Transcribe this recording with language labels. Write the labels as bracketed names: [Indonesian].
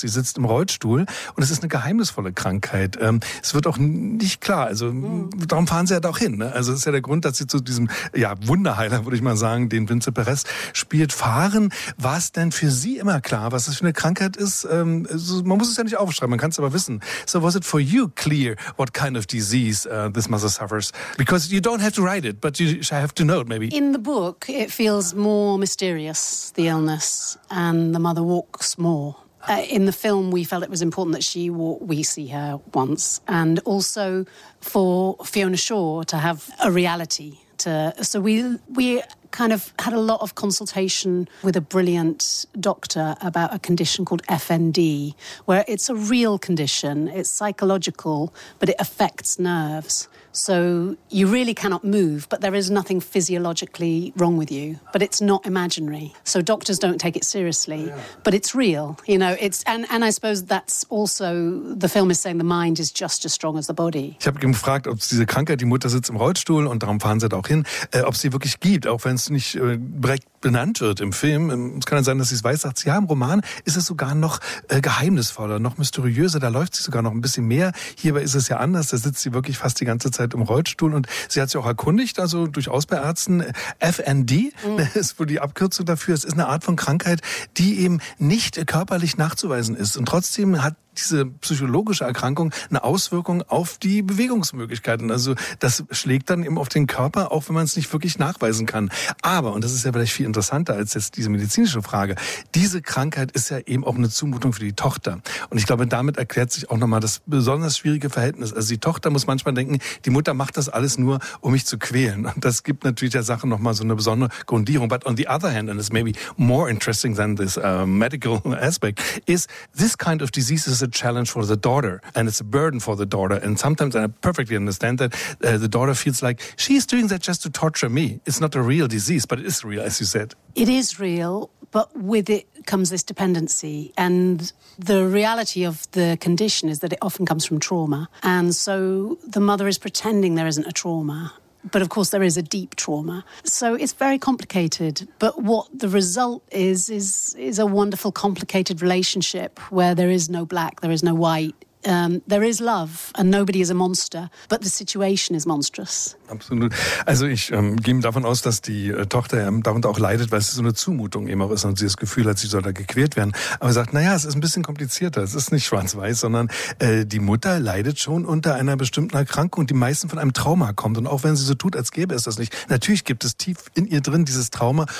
[German] Sie sitzt im Rollstuhl und es ist eine geheimnisvolle Krankheit. Es wird auch nicht klar. Also darum fahren sie ja halt auch hin. Ne? Also das ist ja der Grund, dass sie zu diesem Wunderheiler, würde ich mal sagen, den Vincent Perez spielt, fahren. War es denn für sie immer klar, was das für eine Krankheit ist? Man muss es ja nicht aufschreiben, man kann es aber wissen. [English] So was it for you clear what kind of disease this mother suffers? Because you don't have to write it, but you have to know it maybe. In the book, it feels more mysterious, the illness, and the mother walks more. In the film, we felt it was important that she walk, we see her once. And also for Fiona Shaw to have a reality. So we kind of had a lot of consultation with a brilliant doctor about a condition called FND, where it's a real condition. It's psychological, but it affects nerves. So you really cannot move, but there is nothing physiologically wrong with you, but it's not imaginary. So doctors don't take it seriously, but it's real, you know. It's and I suppose that's also, the film is saying the mind is just as strong as the body. [German] Ich habe gefragt, ob es diese Krankheit, die Mutter sitzt im Rollstuhl und darum fahren sie da auch hin, ob sie wirklich gibt, auch wenn es nicht direkt benannt wird im Film. Es kann ja sein, dass sie es weiß, sagt sie, ja, im Roman ist es sogar noch geheimnisvoller, noch mysteriöser, da läuft sie sogar noch ein bisschen mehr. Hierbei ist es ja anders, da sitzt sie wirklich fast die ganze Zeit im Rollstuhl und sie hat sich auch erkundigt, also durchaus bei Ärzten, FND ist wohl die Abkürzung dafür. Es ist eine Art von Krankheit, die eben nicht körperlich nachzuweisen ist und trotzdem hat diese psychologische Erkrankung eine Auswirkung auf die Bewegungsmöglichkeiten. Also das schlägt dann eben auf den Körper, auch wenn man es nicht wirklich nachweisen kann. Aber, und das ist ja vielleicht viel interessanter als jetzt diese medizinische Frage, diese Krankheit ist ja eben auch eine Zumutung für die Tochter. Und ich glaube, damit erklärt sich auch nochmal das besonders schwierige Verhältnis. Also die Tochter muss manchmal denken, die Mutter macht das alles nur, um mich zu quälen. Und das gibt natürlich der Sache nochmal so eine besondere Grundierung. [English] But on the other hand, and it's maybe more interesting than this medical aspect, is this kind of disease is a challenge for the daughter, and it's a burden for the daughter. And sometimes, and I perfectly understand that, the daughter feels like she's doing that just to torture me. It's not a real disease, but it is real, as you said. It is real, but with it comes this dependency. And the reality of the condition is that it often comes from trauma. And so the mother is pretending there isn't a trauma. But of course, there is a deep trauma. So it's very complicated. But what the result is a wonderful, complicated relationship where there is no black, there is no white. There is love, and nobody is a monster. But the situation is monstrous. [German] absolut. Also ich gehe davon aus, dass die Tochter darunter auch leidet, weil es so eine Zumutung immer ist und sie das Gefühl hat, sie soll da gequält werden. Aber sagt, naja, es ist ein bisschen komplizierter. Es ist nicht schwarz-weiß, sondern die Mutter leidet schon unter einer bestimmten Erkrankung, die meistens von einem Trauma kommt. Und auch wenn sie so tut, als gäbe es das nicht. Natürlich gibt es tief in ihr drin dieses Trauma.